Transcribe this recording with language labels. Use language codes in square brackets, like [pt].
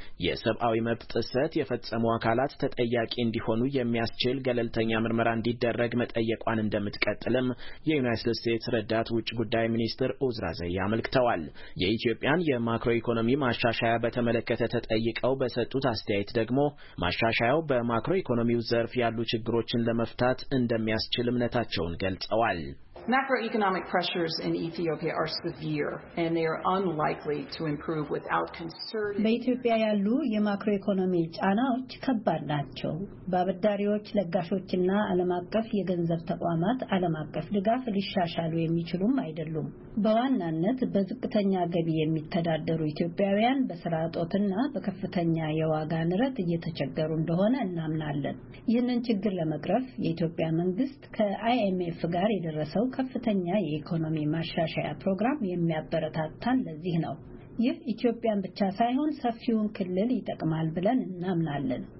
[am] የሰብአዊ መብት ጥሰት የፈጸሙ አካላት ተጠያቂ እንዲሆኑ የሚያስችል ገለልተኛ ምርመራ እንዲደረግ መጠየቋን እንደምትቀጥልም የዩናይትድ ስቴትስ ረዳት ውጭ ጉዳይ ሚኒስትር ኡዝራ ዘያ አመልክተዋል። የኢትዮጵያን የማክሮ ኢኮኖሚ ማሻሻያ በተመለከተ ተጠይቀው በሰጡት አስተያየት ደግሞ ማሻሻያው በማክሮ ኢኮኖሚው ዘርፍ ያሉ ችግሮችን ለመፍታት እንደሚያስችል እምነታቸውን ገልጸዋል። [en] Macroeconomic pressures in Ethiopia are severe and they are unlikely to improve without concerted [am] በኢትዮጵያ ያሉ የማክሮኢኮኖሚ ጫናዎች ከባድ ናቸው። ባበዳሪዎች፣ ለጋሾችና ዓለም አቀፍ የገንዘብ ተቋማት ዓለም አቀፍ ድጋፍ ሊሻሻሉ የሚችሉም አይደሉም። በዋናነት በዝቅተኛ ገቢ የሚተዳደሩ ኢትዮጵያውያን በሥራ አጥነትና በከፍተኛ የዋጋ ንረት እየተቸገሩ እንደሆነ እናምናለን። ይህንን ችግር ለመቅረፍ የኢትዮጵያ መንግስት ከIMF ጋር የደረሰው ከፍተኛ የኢኮኖሚ ማሻሻያ ፕሮግራም የሚያበረታታን ለዚህ ነው። ይህ ኢትዮጵያን ብቻ ሳይሆን ሰፊውን ክልል ይጠቅማል ብለን እናምናለን።